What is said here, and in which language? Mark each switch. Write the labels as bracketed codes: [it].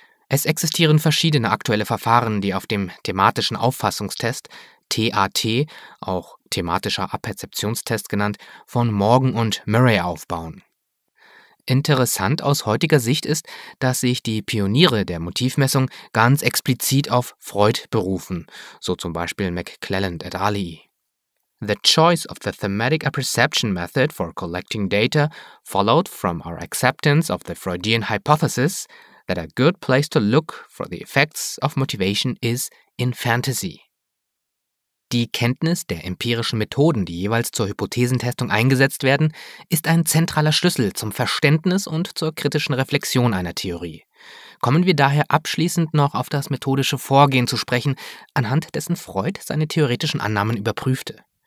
[de] Es existieren verschiedene aktuelle Verfahren, die auf dem thematischen Auffassungstest, TAT, auch thematischer Apperzeptionstest genannt, von Morgan und Murray aufbauen. Interessant aus heutiger Sicht ist, dass sich die Pioniere der Motivmessung ganz explizit auf Freud berufen, so zum Beispiel McClelland et al. [en] The choice of the thematic apperception method for collecting data followed from our acceptance of the Freudian hypothesis that a good place to look for the effects of motivation is in fantasy. [de] Die Kenntnis der empirischen Methoden, die jeweils zur Hypothesentestung eingesetzt werden, ist ein zentraler Schlüssel zum Verständnis und zur kritischen Reflexion einer Theorie. Kommen wir daher abschließend noch auf das methodische Vorgehen zu sprechen, anhand dessen Freud seine theoretischen Annahmen überprüfte.